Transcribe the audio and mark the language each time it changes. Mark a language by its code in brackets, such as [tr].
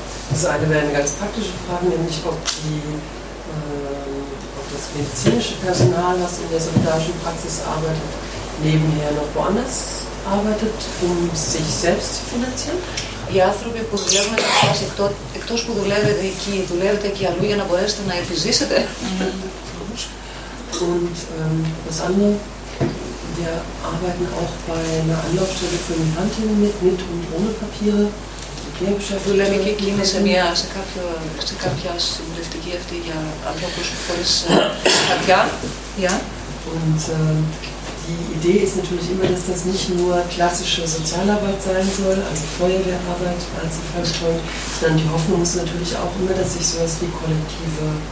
[de] Das eine wäre eine ganz praktische Frage, nämlich ob das medizinische Personal, das in der solidarischen Praxis arbeitet, nebenher noch woanders arbeitet, um sich selbst zu finanzieren. [el] Οι άνθρωποι που δουλεύουν εκτός, εκτός που δουλεύετε εκεί, δουλεύετε εκεί αλλού για να μπορέσετε να επιζήσετε. [de] Und das andere, wir arbeiten auch bei einer Anlaufstelle für Migrantinnen mit und ohne Papiere. [el] Δουλεύει και εκείνη σε κάποια συμβουλευτική αυτή για ανθρώπους χωρίς χαρτιά. [de] Und die Idee ist natürlich immer, dass das nicht nur klassische Sozialarbeit sein soll, also Feuerwehrarbeit, als sie verstreut, sondern die Hoffnung ist natürlich auch immer, dass sich sowas wie kollektive